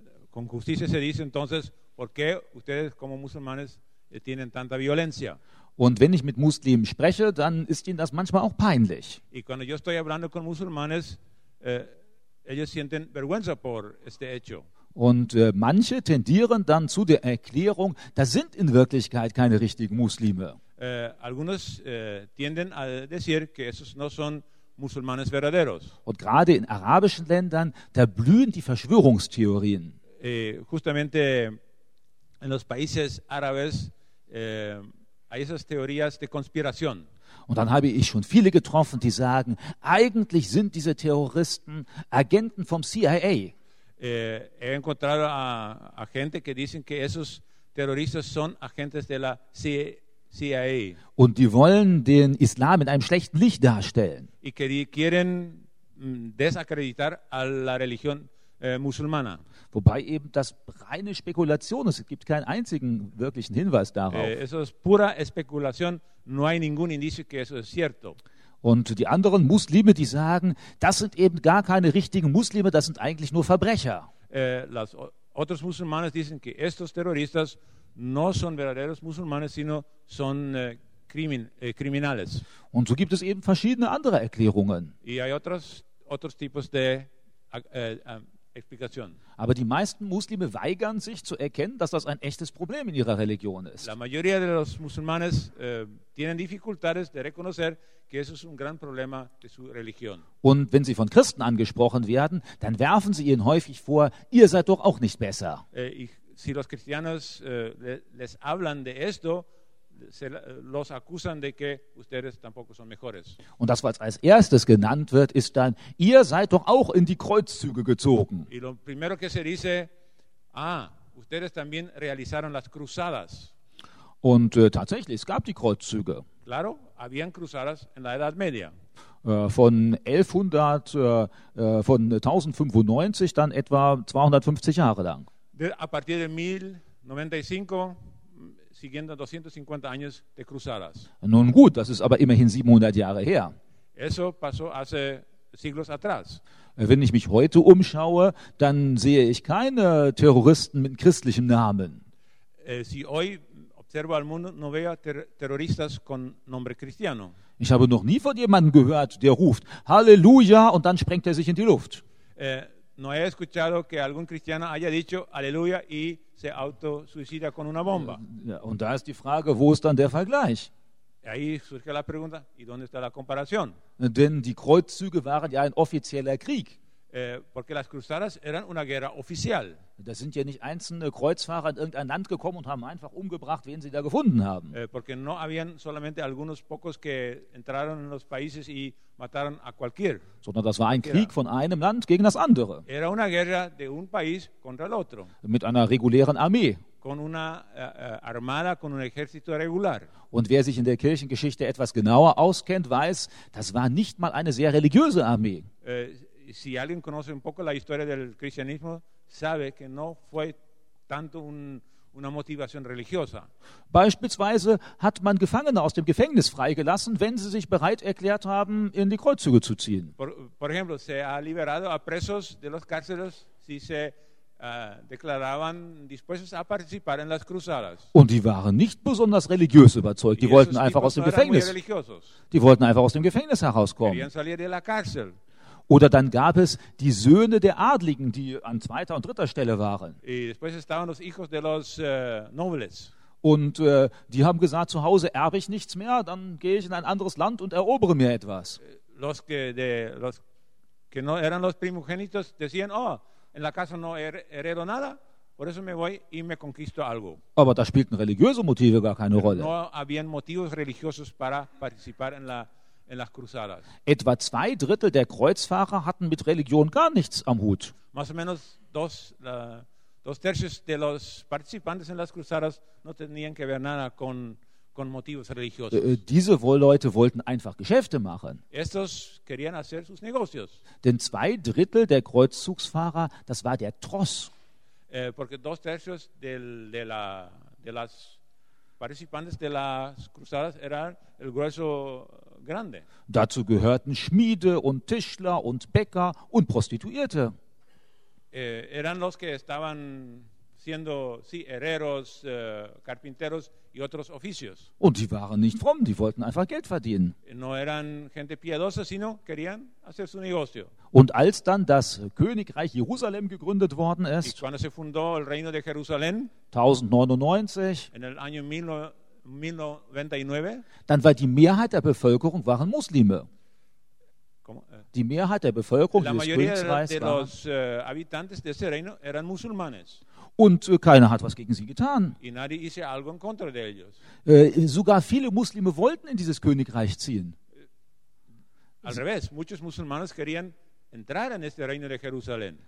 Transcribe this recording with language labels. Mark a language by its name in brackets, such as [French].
[Spanish] Con justicia se dice entonces, ¿por qué ustedes como musulmanes tienen tanta violencia? [German] Und wenn ich mit Muslimen spreche, dann ist ihnen das manchmal auch peinlich. [Spanish] Y cuando yo estoy hablando con musulmanes, ellos sienten vergüenza por este hecho. [German] Und manche tendieren dann zu der Erklärung, das sind in Wirklichkeit keine richtigen Muslime. [Spanish] Algunos tienden a decir que esos no son musulmanes verdaderos. [German] Und gerade in arabischen Ländern, da blühen die Verschwörungstheorien. [Spanish] Justamente en los países árabes hay esas teorías de conspiración. [German] Und dann habe ich schon viele getroffen, die sagen, eigentlich sind diese Terroristen Agenten vom CIA. [Spanish] He encontrado a gente que dicen que esos terroristas son agentes de la CIA. [German] Und die wollen den Islam in einem schlechten Licht darstellen. [Spanish] Y que quieren desacreditar a la religión musulmana. [German] Wobei eben das reine Spekulation ist. Es gibt keinen einzigen wirklichen Hinweis darauf. [Spanish] Eso es pura especulación. No hay ningún indicio que eso es cierto. [German] Und die anderen Muslime, die sagen, das sind eben gar keine richtigen Muslime, das sind eigentlich nur Verbrecher. [Spanish] Los otros musulmanes dicen que estos terroristas no son verdaderos musulmanes, sino son criminales. [German] Und so gibt es eben verschiedene andere Erklärungen. [Spanish] Y hay otros tipos de explicación. [German] Aber die meisten Muslime weigern sich zu erkennen, dass das ein echtes Problem in ihrer Religion ist. [Spanish] La mayoría de los musulmanes tienen dificultades de reconocer que eso es un gran problema de su religión. [German] Und wenn sie von Christen angesprochen werden, dann werfen sie ihnen häufig vor, ihr seid doch auch nicht besser. [Spanish] Si los cristianos les hablan de esto, los acusan de que ustedes tampoco son mejores. [German] Und das, was als erstes genannt wird, ist dann, ihr seid doch auch in die Kreuzzüge gezogen. [Spanish] Y lo primero que se dice, ustedes también realizaron las cruzadas. [German] Und tatsächlich, es gab die Kreuzzüge. [Spanish] Claro, habían cruzadas en la Edad Media. [German] Von 1100, von 1095 dann etwa 250 Jahre lang. [Spanish] A partir de 1095 siguiendo 250 años de cruzadas. [German] Nun gut, das ist aber immerhin 700 Jahre her. [Spanish] Eso pasó hace siglos atrás. [German] Wenn ich mich heute umschaue, dann sehe ich keine Terroristen mit christlichem Namen. [Spanish] Si hoy observo al mundo, no veo terroristas con nombre cristiano. [German] Ich habe noch nie von jemandem gehört, der ruft Halleluja und dann sprengt er sich in die Luft. [Spanish] No he escuchado que algún cristiano haya dicho Aleluya y se autosuicida con una bomba. [German] Und da ist die Frage, wo ist dann der Vergleich? [Spanish] Ahí surge la pregunta, ¿y dónde está la comparación? [German] Denn die Kreuzzüge waren ja ein offizieller Krieg. [Spanish] Porque las cruzadas eran una guerra oficial. [German] Da sind ja nicht einzelne Kreuzfahrer in irgendein Land gekommen und haben einfach umgebracht, wen sie da gefunden haben. [Spanish] Porque no habían solamente algunos pocos que entraron en los países y mataron a cualquier. [German] Sondern das war ein Krieg von einem Land gegen das andere. [Spanish] Era una guerra de un país contra el otro. [German] Mit einer regulären Armee. [Spanish] Con una armada, con un ejército regular. [German] Und wer sich in der Kirchengeschichte etwas genauer auskennt, weiß, das war nicht mal eine sehr religiöse Armee. [Spanish] Si alguien conoce un poco la historia del cristianismo, sabe que no fue tanto una motivación religiosa. [German] Beispielsweise hat man Gefangene aus dem Gefängnis freigelassen, wenn sie sich bereit erklärt haben, in die Kreuzzüge zu ziehen. [Spanish] Por ejemplo, se ha liberado a presos de los cárceles si se declaraban dispuestos a participar en las cruzadas. [German] Und die waren nicht besonders religiös überzeugt. Die wollten einfach aus dem Gefängnis. Die wollten einfach aus dem Gefängnis herauskommen. [Spanish] Querían salir de la cárcel. [German] Oder dann gab es die Söhne der Adligen, die an zweiter und dritter Stelle waren. [Spanish] Y después estaban los hijos de los, nobles. [German] Und die haben gesagt, zu Hause erbe ich nichts mehr, dann gehe ich in ein anderes Land und erobere mir etwas. [Spanish] Los que, de, los que no eran los primogénitos decían, oh, en la casa no heredo nada, por eso me voy y me conquisto algo. [German] Aber da spielten religiöse Motive gar keine Rolle. [Spanish] No habían motivos religiosos para participar en la en las cruzadas. [German] Etwa zwei Drittel der Kreuzfahrer hatten mit Religion gar nichts am Hut. [Spanish] Más o menos dos tercios de los participantes en las cruzadas no tenían que ver nada con motivos religiosos. [German] Diese Leute wollten einfach Geschäfte machen. [Spanish] Estos querían hacer sus negocios. [German] Denn zwei Drittel der Kreuzzugsfahrer, das war der Tross. [Spanish] Porque dos tercios de las participantes de las cruzadas eran el grueso grande. [German] Dazu gehörten Schmiede und Tischler und Bäcker und Prostituierte. [Spanish] Eran los que estaban siendo, sí, herreros, carpinteros y otros oficios. [German] Und die waren nicht fromm, die wollten einfach Geld verdienen. [Spanish] No eran gente piadosa, sino querían hacer su negocio. [German] Und als dann das Königreich Jerusalem gegründet worden ist, [Spanish] y cuando se fundó el Reino de Jerusalén, [German] 1099, [Spanish] en el año 1099, [German] dann war die Mehrheit der Bevölkerung waren Muslime. Die Mehrheit der Bevölkerung des Königreichs [Spanish] de los habitantes de ese reino eran musulmanes. [German] Und keiner hat was gegen sie getan. [Spanish] Y nadie hizo algo en contra de ellos. [German] Sogar viele Muslime wollten in dieses Königreich ziehen. [Spanish] Al revés, muchos musulmanes querían entrar en este reino de Jerusalén.